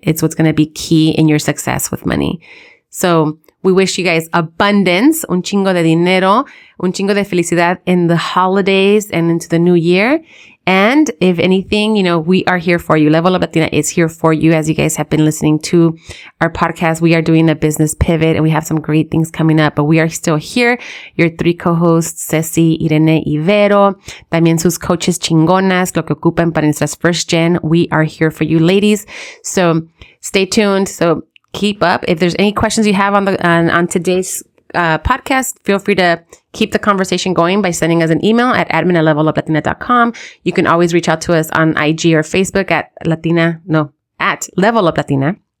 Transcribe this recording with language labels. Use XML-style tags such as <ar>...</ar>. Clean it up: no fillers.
<en>It's what's going to be key in your success with money. So, we wish you guys abundance,</en> <es>un chingo de dinero, un chingo de felicidad</es> <en>in the holidays and into the new year. And if anything, you know, we are here for you. Level Up Latina is here for you. As you guys have been listening to our podcast, we are doing a business pivot and we have some great things coming up, but we are still here. Your three co-hosts,</en> <es>Ceci, Irene, Ibero, también sus coaches chingonas, lo que ocupan para nuestras</es> <en>first gen. We are here for you, ladies. So stay tuned. So keep up. If there's any questions you have on today's podcast, feel free to keep the conversation going by sending us an email at admin@leveluplatina.com. You can always reach out to us on IG or Facebook at Level Up Latina.</en>